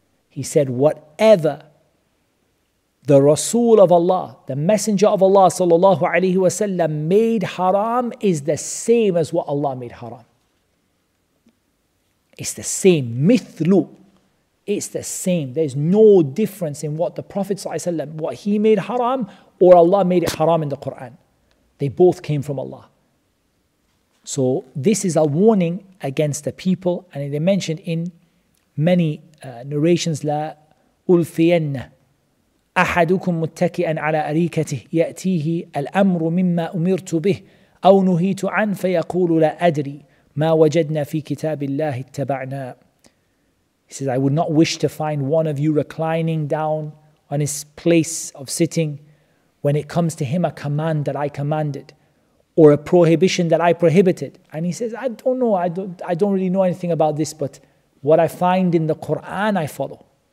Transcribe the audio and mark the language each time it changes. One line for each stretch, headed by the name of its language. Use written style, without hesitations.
English: He said, whatever the Rasul of Allah, the Messenger of Allah sallallahu alayhi wa sallam, made haram is the same as what Allah made haram. It's the same. Mithlu. It's the same. There's no difference in what the Prophet sallallahu alayhi wa sallam, what he made haram, or Allah made it haram in the Quran. They both came from Allah. So this is a warning against the people, and they mentioned in many narrations,
Arabic: la ulfiyanna أحدكم متكئا على أريكته يأتيه الأمر مما أمرت به أو نهيت عنه فيقول لا أدري ما وجدنا في كتاب الله اتبعنا.
English: He says, I would not wish to find one of you reclining down on his place of sitting when it comes to him a command that I commanded or a prohibition that I prohibited. And he says, I don't know, I don't really know anything about this, but what I find in the Quran I follow.